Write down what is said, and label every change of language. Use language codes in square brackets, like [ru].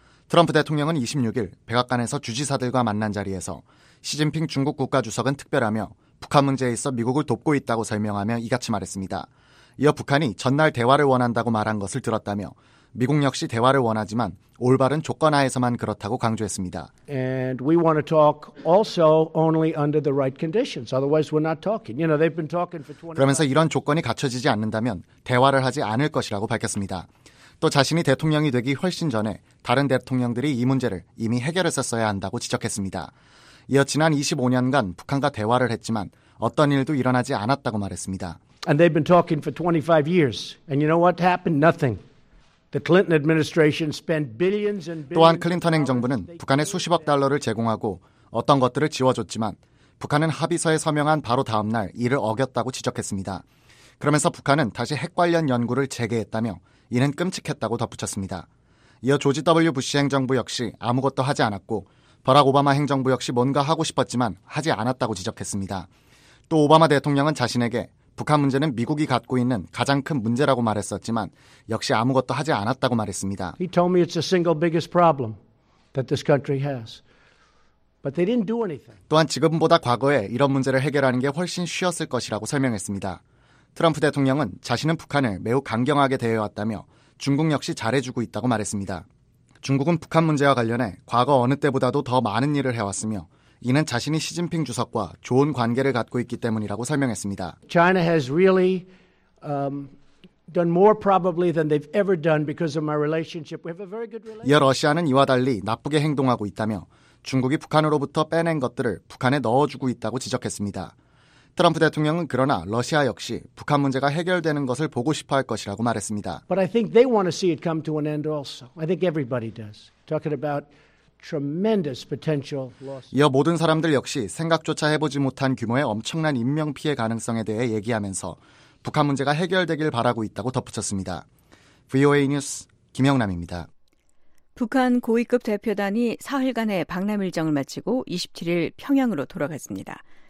[ko] 트럼프 대통령은 26일 백악관에서 주지사들과 만난 자리에서 시진핑 중국 국가주석은 특별하며 북한 문제에 있어 미국을 돕고 있다고 설명하며 이같이 말했습니다. 이어 북한이 전날 대화를 원한다고 말한 것을 들었다며 미국 역시 대화를 원하지만 올바른 조건 하에서만 그렇다고 강조했습니다. [en] And we want to talk also only under the right conditions. Otherwise we're not talking. You know, they've been talking for 20. [ko] 그러면서 이런 조건이 갖춰지지 않는다면 대화를 하지 않을 것이라고 밝혔습니다. 또 자신이 대통령이 되기 훨씬 전에 다른 대통령들이 이 문제를 이미 해결했었어야 한다고 지적했습니다. 이어 지난 25년간 북한과 대화를 했지만 어떤 일도 일어나지 않았다고 말했습니다. [en] And they've been talking for 25 years. And you know what happened? Nothing. The Clinton administration spent billions and billions. [ko] 또한 클린턴 행정부는 북한에 수십억 달러를 제공하고 어떤 것들을 지워줬지만 북한은 합의서에 서명한 바로 다음 날 이를 어겼다고 지적했습니다. 그러면서 북한은 다시 핵 관련 연구를 재개했다며 이는 끔찍했다고 덧붙였습니다. 이어 조지 W. 부시 행정부 역시 아무것도 하지 않았고 버락 오바마 행정부 역시 뭔가 하고 싶었지만 하지 않았다고 지적했습니다. 또 오바마 대통령은 자신에게 북한 문제는 미국이 갖고 있는 가장 큰 문제라고 말했었지만 역시 아무것도 하지 않았다고 말했습니다. [en] He told me it's the single biggest problem that this country has. But they didn't do anything. [ko] 또한 지금보다 과거에 이런 문제를 해결하는 게 훨씬 쉬웠을 것이라고 설명했습니다. 트럼프 대통령은 자신은 북한을 매우 강경하게 대해왔다며 중국 역시 잘해주고 있다고 말했습니다. 중국은 북한 문제와 관련해 과거 어느 때보다도 더 많은 일을 해왔으며 이는 자신이 시진핑 주석과 좋은 관계를 갖고 있기 때문이라고 설명했습니다. [en] China has really done more probably than they've ever done because of my relationship. We have a very good relationship. [ko] 이어 러시아는 이와 달리 나쁘게 행동하고 있다며 중국이 북한으로부터 빼낸 것들을 북한에 넣어주고 있다고 지적했습니다. 트럼프 대통령은 그러나 러시아 역시 북한 문제가 해결되는 것을 보고 싶어 할 것이라고 말했습니다. [en] But I think they want to see it come to an end also. I think everybody does. Talking about tremendous potential loss. [ko] 이어 모든 사람들 역시 생각조차 해보지 못한 규모의 엄청난 인명피해 가능성에 대해 얘기하면서 북한 문제가 해결되길 바라고 있다고 덧붙였습니다. VOA 뉴스 김영남입니다. 북한 고위급 대표단이 사흘간의 방남 일정을 마치고 27일 평양으로 돌아갔습니다.